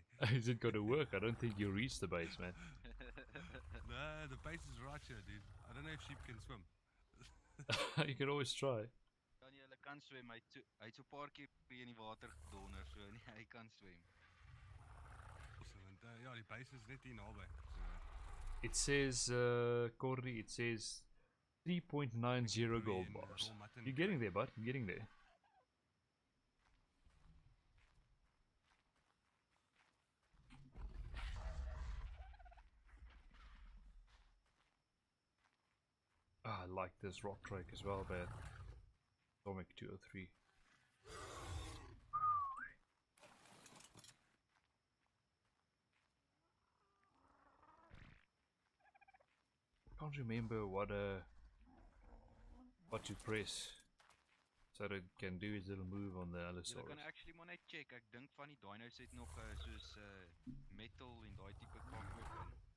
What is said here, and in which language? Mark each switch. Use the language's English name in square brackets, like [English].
[English] Is it gonna work? I don't think you'll reach the base, man. Nah, the base is right here, dude. I don't know if sheep can swim. You can always try. [Afrikaans] Hulle kan swem, hy het so paar keer in die water gedonder, so nie, hy kan swem. Ja, die base is net hier naby. [English] It says, Cordy, it says 3.90 gold bars. You're getting there, bud, you're getting there. Oh, I like this rock trike as well, man. Atomic 203. Can't remember what to press so that it can do its little move on the Allosaurus. Can actually mon check. [Afrikaans] Ek dink van die dinos het nog soos metal en daai tipe kamp ook.